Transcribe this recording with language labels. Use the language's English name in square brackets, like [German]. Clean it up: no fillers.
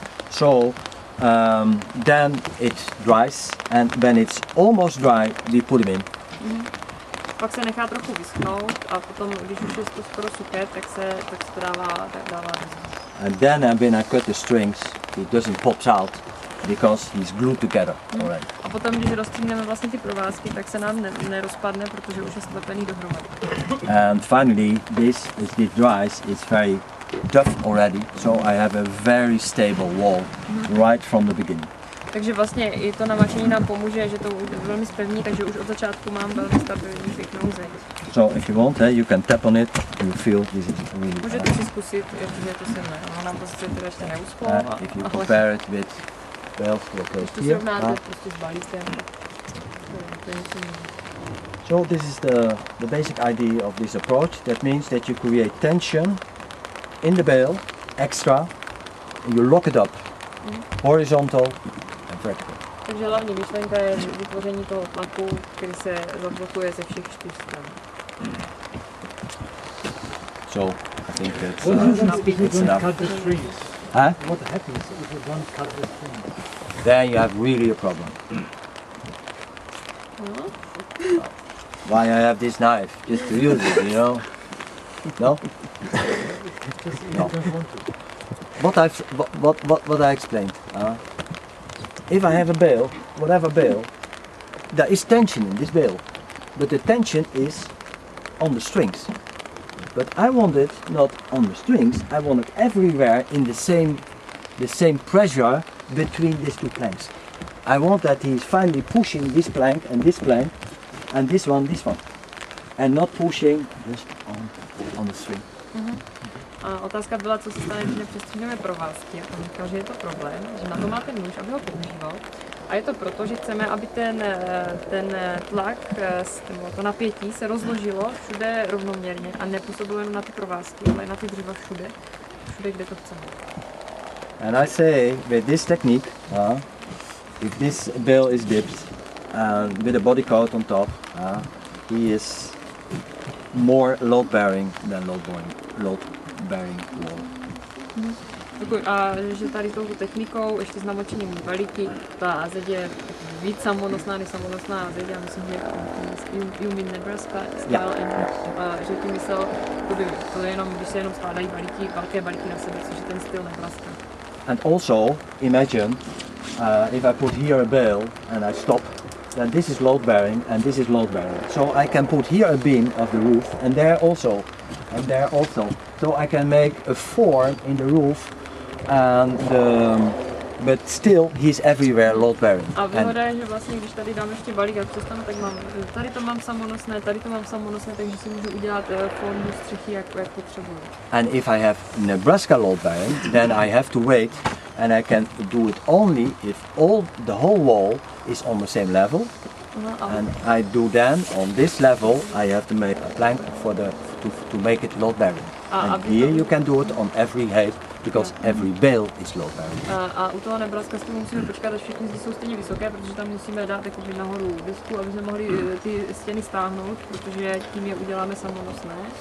[English] So, then it dries, and when it's almost dry, we put them in. [Czech] Pak se nechá trochu vyschnout a potom, když už je to skoro suché, tak se to dává. [English] And then when I cut the strings, it doesn't pop out because it's glued together already. [Czech] A potom, když rozstříneme vlastně ty provázky, tak se nám nerozpadne, protože už je slepený dohromady. [English] And finally, this dries, it's very tough already, so I have a very stable wall right from the beginning. [Czech] Takže vlastně i to namačení nám pomůže, že to je velmi spevní, takže už od začátku mám velmi stabilní pěknou zeď. [English] So if you want, you can tap on it and you feel this is really... [Czech] Můžete si zkusit, protože to se mne. Ono nám prostě teda ještě neuschlo. [English] If you compare it with bales located here. [Czech] To srovnáte prostě s balíkem. To je něco jiné. [English] So this is the basic idea of this approach. That means that you create tension in the bale, extra, and you lock it up, horizontal, [Czech] takže hlavní myšlenka je vytvoření toho tlaku, který se zablokuje ze všech 4 stran. [English] So, I think it's enough. Huh? What happens if you don't cut the strings? Then you have really a problem. Why I have this knife? Just to use it, you know? No? No. What I explained? If I have a bale, whatever bale, there is tension in this bale, but the tension is on the strings. But I want it not on the strings, I want it everywhere in the same pressure between these two planks. I want that he is finally pushing this plank and this plank and this one, and not pushing just on the string. [Czech] A otázka byla, co se stane, když nepřestříhneme provázky. On říkal, že je to problém, že na to má ten nůž, aby ho používal. A je to proto, že chceme, aby ten tlak, to napětí se rozložilo všude rovnoměrně a nepůsobilo jenom na ty provázky, ale na ty dřeva všude, kde to chceme. [English] And I say, with this technique, if this bale is dipped and with a body coat on top, he is more load bearing than load bearing wall. [Czech] A že tady touto technikou, ještě s namočením balíky, ta zeď je víc samonosná než samonosná zeď. Já myslím, že [English] you mean Nebraska style, yeah. [Czech] Že tím myslel, to je jenom, když se jenom skládají balíky, velké balíky na sebe, což je ten styl Nebraska. [English] And also, imagine, if I put here a bale and I stop, then this is load bearing and this is load bearing. So I can put here a beam of the roof and there also. And there also, so I can make a form in the roof, and but still he's everywhere load bearing. [Czech] A výhoda je, že vlastně, když tady dám ještě balík a přestanu, tak mám, tady to mám samonosné, takže si můžu udělat formu střechy, jak potřebuji. [English] And if I have Nebraska load bearing, then I have to wait, and I can do it only if the whole wall is on the same level. And I do then on this level, I have to make a plank for the to make it load bearing. And here you can do it on every height because every bale is load bearing. [Czech] A u toho Nebraska si musíme počkat, až všechny zdi jsou stejně vysoké, protože tam musíme dát takový nahoru desku, aby jsme mohli ty stěny stáhnout, protože tím je uděláme samonosné.